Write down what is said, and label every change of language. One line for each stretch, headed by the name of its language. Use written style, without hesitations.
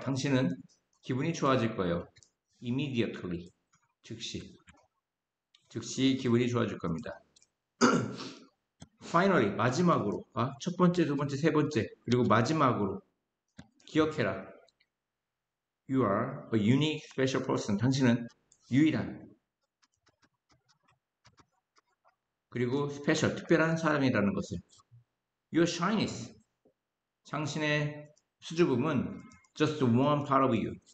Korean: 당신은 기분이 좋아질 거예요.
English: immediately.
Korean: 즉시, 즉시 기분이 좋아질 겁니다. Finally, 마지막으로, 아, 첫 번째, 두 번째, 세 번째, 그리고 마지막으로 기억해라.
English: You are a unique special person.
Korean: 당신은 유일한, 그리고 special, 특별한 사람이라는 것을.
English: Your shyness,
Korean: 당신의 수줍음은
English: just one part of you.